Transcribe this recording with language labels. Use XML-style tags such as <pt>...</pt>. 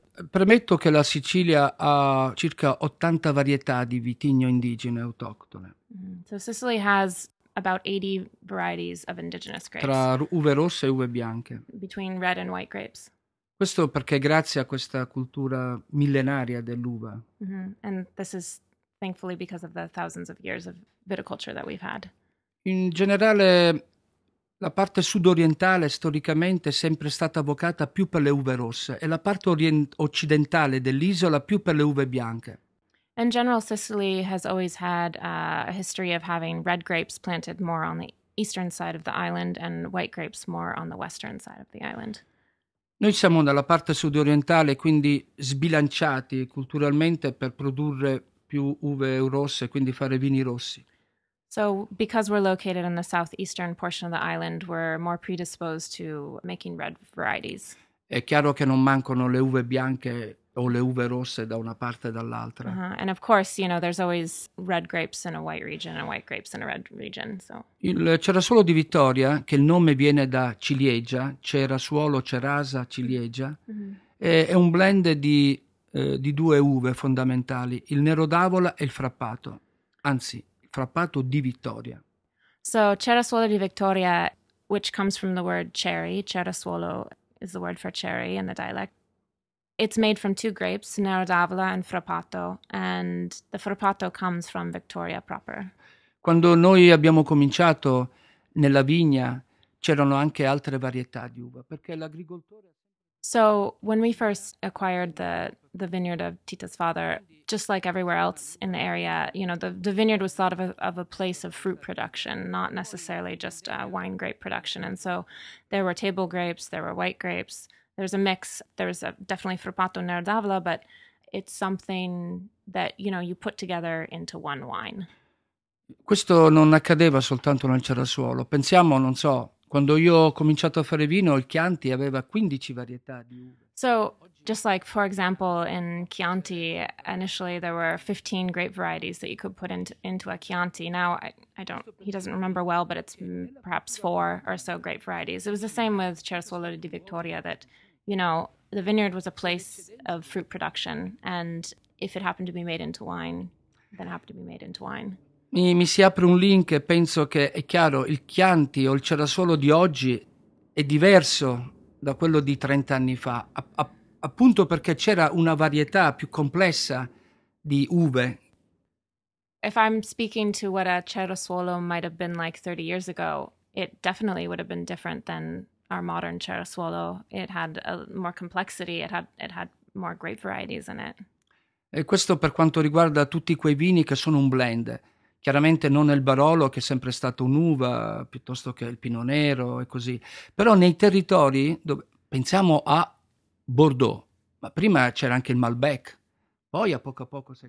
<it>Premetto che la Sicilia ha circa 80 varietà di vitigno indigene autoctone.</it> <en>So Sicily has about 80 varieties of indigenous grapes.</en> <it>Tra uve rosse e uve bianche.</it> <en>Between red and white grapes.</en> <it>Questo perché grazie a questa cultura millenaria dell'uva. Mm-hmm.</it> <en>And this is thankfully because of the thousands of years of viticulture that we've had.</en> <it>In generale, la parte sud-orientale storicamente è sempre stata vocata più per le uve rosse e la parte occidentale dell'isola più per le uve bianche.</it> <en>In general, Sicily has always had a history of having red grapes planted more on the eastern side of the island and white grapes more on the western side of the island.</en> <it>Noi siamo nella parte sud-orientale, quindi sbilanciati culturalmente per produrre più uve rosse, quindi fare vini rossi.</it> <en>So because we're located in the southeastern portion of the island, we're more predisposed to making red varieties.</en> <it>È chiaro che non mancano le uve bianche o le uve rosse da una parte e dall'altra. Uh-huh.</it> <en>And of course, you know, there's always red grapes in a white region and white grapes in a red region. So</en> <it>il Cerasuolo di Vittoria, che il nome viene da ciliegia, Cerasuolo, Cerasa, ciliegia, è un blend di due uve fondamentali, il Nero d'Avola e il Frappato. Anzi, Frappato di Vittoria.</it> <en>So Cerasuolo di Vittoria, which comes from the word cherry, Cerasuolo is the word for cherry in the dialect. It's made from two grapes, Nero d'Avola and Frappato, and the Frappato comes from Vittoria proper.</en> <it>Quando noi abbiamo cominciato nella vigna, c'erano anche altre varietà di uva, perché l'agricoltore...</it> <en>So when we first acquired the vineyard of Tita's father, just like everywhere else in the area, you know, the vineyard was thought of a place of fruit production, not necessarily just wine grape production. And so there were table grapes, there were white grapes, there's a mix. There's definitely Frappato Nero d'Avola, but it's something that, you know, you put together into one wine.</en> <it>Questo non accadeva soltanto nel Cerasuolo. Pensiamo, non so, quando io ho cominciato a fare vino, il Chianti aveva 15 varietà di uva.</it> <en>So, just like, for example, in Chianti, initially there were 15 grape varieties that you could put into a Chianti. Now, he doesn't remember well, but it's perhaps four or so grape varieties. It was the same with Cerasuolo di Vittoria, that, you know, the vineyard was a place of fruit production, and if it happened to be made into wine, then it happened to be made into wine.</en> <it>Mi si apre un link e penso che è chiaro, il Chianti o il Cerasuolo di oggi è diverso da quello di 30 anni fa, appunto perché c'era una varietà più complessa di uve.</it> <en>If I'm speaking to what a Cerasuolo might have been like 30 years ago, it definitely would have been different than our modern Cerasuolo. It had a more complexity, it had more grape varieties in it.</en> <it>E questo per quanto riguarda tutti quei vini che sono un blend. Chiaramente non il Barolo, che è sempre stato un'uva, piuttosto che il Pinot Nero e così. Però nei territori, dove pensiamo a Bordeaux, ma prima c'era anche il Malbec, poi a poco si è</it>